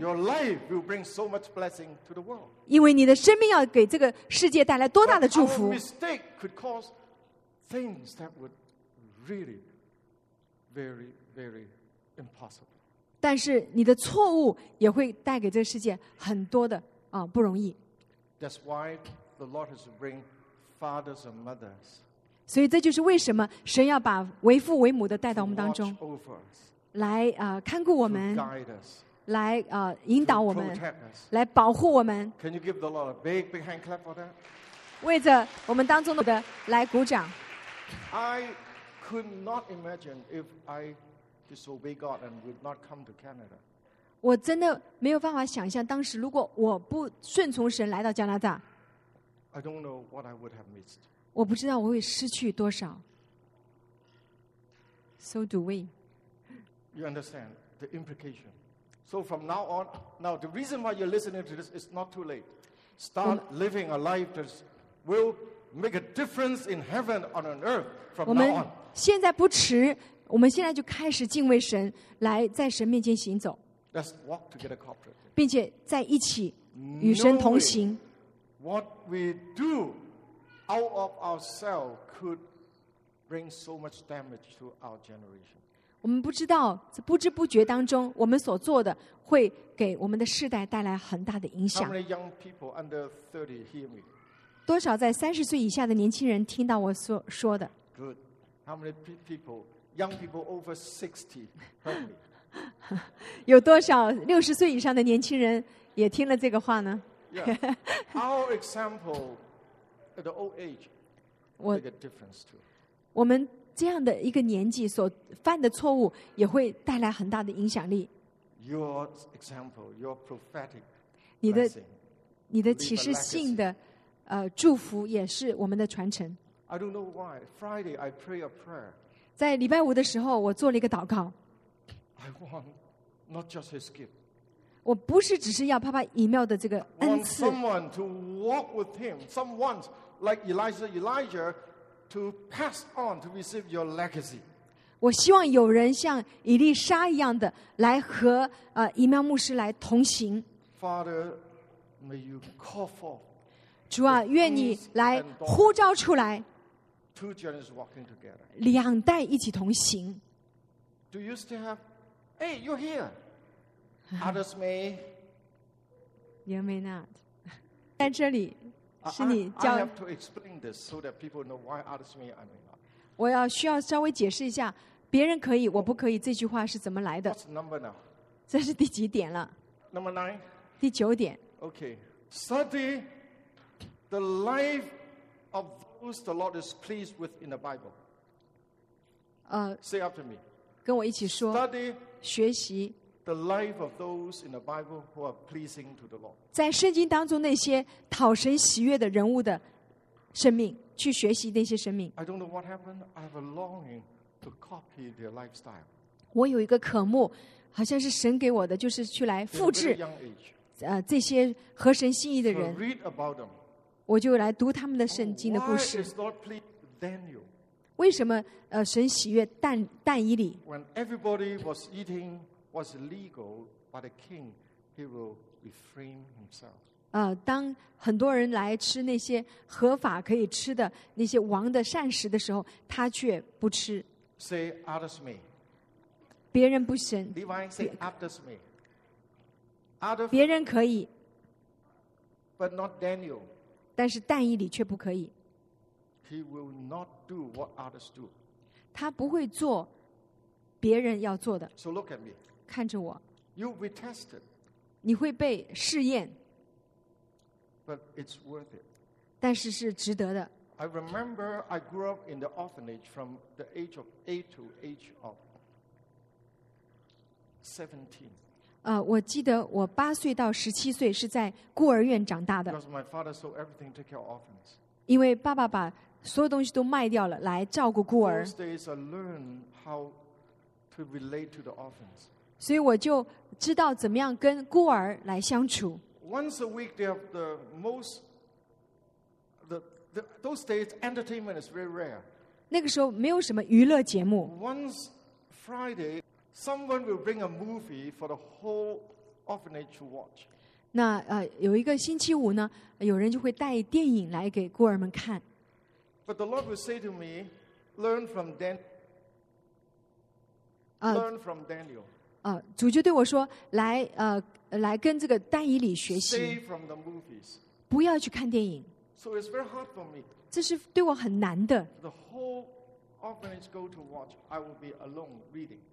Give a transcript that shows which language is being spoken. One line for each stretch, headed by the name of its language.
English: Your life will bring so much blessing to the world.
Chinese: 因为你的生命要给这个世界带来多大的祝福。
English: But our mistake could cause things that would really very, very impossible.
Chinese: 但是你的错误也会带给这个世界很多的不容易。
English: That's why. The Lord has to bring fathers and mothers.
Chinese: 所以这就是为什么神要把为父为母的带到我们当中，
English: to watch over us,
Chinese: 来看顾我们，
English: to guide us,
Chinese: 来引导我们，
English: to protect us.
Chinese: 来保护我们。
English: Can you give the Lord a big, big hand clap for that?
Chinese: 为着我们当中的来鼓掌。
English: I could not imagine if I disobey God and would not come to Canada.
Chinese: 我真的没有办法想象，当时如果我不顺从神来到加拿大，
English: I don't know what I would have missed.
Chinese: 我不知道我会失去多少。
English: So do we. You understand the implication. So from now on, now the reason why you're listening to this is not too late. Start living a life that will make a difference in heaven and on earth from now on.
Chinese: 现在不迟，我们现在就开始敬畏神，来在神面前行走。
English: Let's walk together corporately.
Chinese: 并且在一起与神同行。
English: What we do out of ourselves could. Bring so much damage to our generation.
Chinese: 我们不知道，不知不觉当中，我们所做的会给我们的世代带来很大的影响。
English: How many young people under 30 hear me?
Chinese: 多少在30岁以下的年轻人听到我说的
English: ？Good. How many people, young people over 60 heard me?
Chinese: 有多少60岁以上的年轻人也听了这个话呢
English: ？Yeah. Our example at the old age make a difference too.
Chinese: 我们这样的一个年纪所犯的错误也会带来很大的影响力。
English: Your example, your prophetic blessing,
Chinese: 你的启示性的祝福也是我们的传承。
English: I don't know why. Friday, I pray a prayer.
Chinese: 在礼拜五的时候我做了一个祷告。
English: I want not just his gift.
Chinese: 我不是只是要爸爸以妙的这个恩赐。
English: I want someone to walk with him, someone like Elijah,To pass on to receive your legacy.
Chinese: 我希望有人像以利沙一样的来和以妙牧师来同行。
English: Father, may you call for.
Chinese: 主啊，愿你来呼召出来。
English: Two generations walking together.
Chinese: 两代一起同行。
English: Do you still have? Hey, you're here. Others may. You may not.
Chinese: 在这里。是你教
English: I have to explain this so that people know why others may or may not.
Chinese: 我要需要稍微解释一下，别人可以，我不可以，这句话是怎么来的
English: ？What's number now?
Chinese: 这是第几点了
English: ？Number nine.
Chinese: 第九点。
English: Okay, study the life of those the Lord is pleased with in the Bible. Say after me.
Chinese: 跟我一起说。
English: Study
Chinese: 学习。
English: The life of those in the Bible who are pleasing to the Lord.
Chinese: 在圣经当中那些讨神喜悦的人物的生命，去学习那些生命。
English: I don't know what happened. I have a longing to copy their lifestyle.
Chinese: 我有一个渴慕，好像是神给我的，就是去来复制。
English: They're very young age.
Chinese: 这些合神心意的人。
English: To read about them.
Chinese: 我就来读他们的圣经的故事。
English: Why is God pleased with Daniel?
Chinese: 为什么神喜悦但以理
English: ？When everybody was eating. Was legal, but the king he will refrain himself.
Chinese: 当很多人来吃那些合法可以吃的那些王的膳食的时候，他却不吃。
English: Say others may.
Chinese: 别人不行。
English: Levi say others may. Other.
Chinese: 别人可以。
English: But not Daniel.
Chinese: 但是但以理却不可以。
English: He will not do what others do.
Chinese: 他不会做别人要做的。
English: So look at me.
Chinese: 看着我
English: You'll be tested,
Chinese: 你会被试验
English: but it's worth it.
Chinese: 但是是值得的
English: I remember I grew up in the orphanage from the age of 8 to age of 17
Chinese: 我记得我八岁到十七岁是在孤儿院长大的
English: Because my father sold everything to take care of orphans
Chinese: 因为爸爸把所有东西都卖掉了来照顾孤儿
English: Those days I learned how to relate to the orphans
Chinese: 所以我就知道怎么样跟孤儿来相处。
English: Once a week, they have the most. The those days entertainment is very rare.
Chinese: 那个时候没有什么娱乐节目。
English: Once Friday, someone will bring a movie for the whole orphanage to watch.
Chinese: 那有一个星期五呢，有人就会带电影来给孤儿们看。
English: But the Lord will say to me, "Learn from Dan. Learn from Daniel."
Chinese: 主就对我说来跟这个但以理学习
English: Stay from the movies.
Chinese: 不要去看电影
English: so it's very hard for me.
Chinese: 这是对我很难的
English: the whole orphanage go to watch, I will be alone reading.